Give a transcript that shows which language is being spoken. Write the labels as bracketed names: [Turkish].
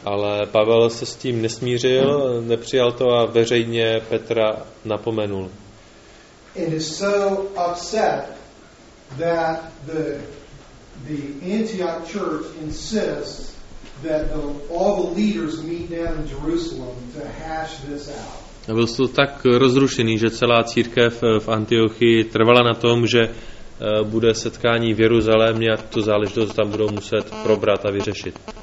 [Czech] Ale Pavel se s tím nesmířil, nepřijal to a veřejně Petra napomenul. [English] And is so upset that the Antioch church insists that all the leaders meet down in Jerusalem to hash this out. [Czech] A byl to tak rozrušený, že celá církev v Antiochii trvala na tom, že bude setkání v Jeruzalémě a tu záležitost tam budou muset probrat a vyřešit.